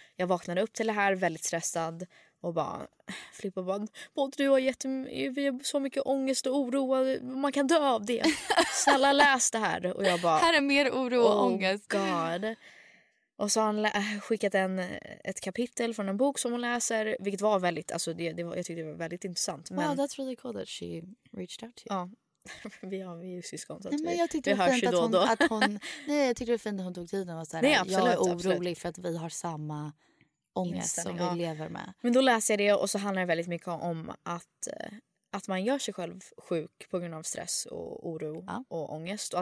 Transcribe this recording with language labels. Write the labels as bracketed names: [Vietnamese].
[Swedish] Jag vaknade upp till det här väldigt stressad. Och bara, Flippa bara, både du har vi har så mycket ångest och oro, man kan dö av det. Snälla läs det här. Och jag bara, här är mer oro och ångest. God. Och så har han skickat ett kapitel från en bok som hon läser, vilket var väldigt, alltså det var, jag tyckte det var väldigt intressant. [English] Men, wow, that's really cool that she reached out to you. [Swedish] Ja, vi har ju syskon, så att nej, vi hörs ju då och då. Nej, jag tyckte det var fint att hon tog tiden och såhär, nej, absolut, jag är orolig absolut. För att vi har samma... ångest som vi lever med. Men då läser jag det och så handlar det väldigt mycket om att man gör sig själv sjuk på grund av stress och oro och ångest.